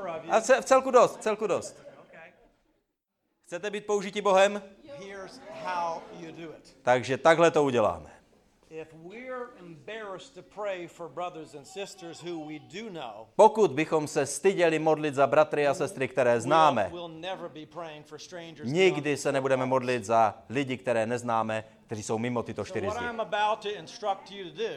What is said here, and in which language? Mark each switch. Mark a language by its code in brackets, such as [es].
[cs] A celku dost. Chcete být použití Bohem? [en] here's how you do it. [cs] Takže takhle to uděláme. [en] If we're embarrassed to pray for brothers and sisters who we do know, [cs] pokud bychom se styděli modlit za bratry a sestry, které známe, [en] we'll never be praying for strangers. [cs] Nikdy se nebudeme modlit za lidi, které neznáme, kteří jsou mimo tyto čtyři zdi.